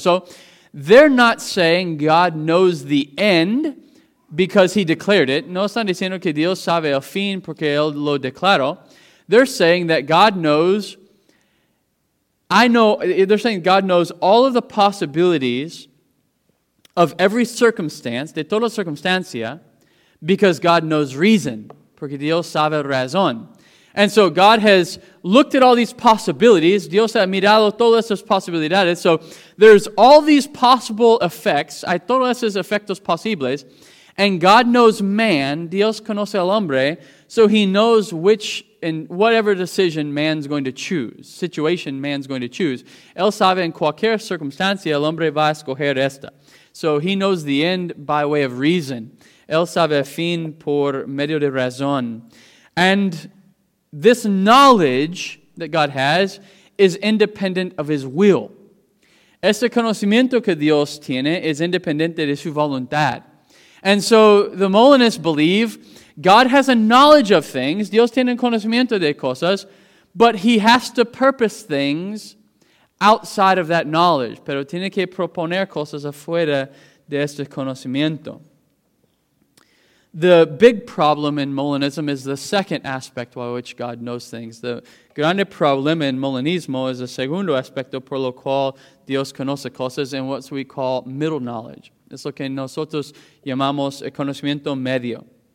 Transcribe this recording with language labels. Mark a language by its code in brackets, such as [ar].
[en] So, they're not saying God knows the end because he declared it. [es] No están diciendo que Dios sabe el fin porque él lo declaró. [en] They're saying God knows all of the possibilities of every circumstance, [es] de toda circunstancia, [en] because God knows reason, [es] porque Dios sabe razón. [en] And so God has looked at all these possibilities. [es] Dios ha mirado todas esas posibilidades. [en] So there's all these possible effects. [es] Hay todos esos efectos posibles. [en] And God knows man. [es] Dios conoce al hombre. [en] So he knows which and whatever decision man's going to choose, situation man's going to choose. [es] Él sabe en cualquier circunstancia el hombre va a escoger esta. [en] So he knows the end by way of reason. [es] Él sabe fin por medio de razón. [en] And this knowledge that God has is independent of his will. [es] Este conocimiento que Dios tiene es independiente de su voluntad. [en] And so the Molinists believe God has a knowledge of things. [es] Dios tiene conocimiento de cosas, [en] but he has to purpose things outside of that knowledge. [es] Pero tiene que proponer cosas afuera de este conocimiento. [en] The big problem in Molinism is the second aspect by which God knows things. [es] The grande problema en Molinismo es el segundo aspecto por lo cual Dios conoce cosas, [en] and what we call middle knowledge. [es] Es lo que nosotros llamamos el conocimiento medio.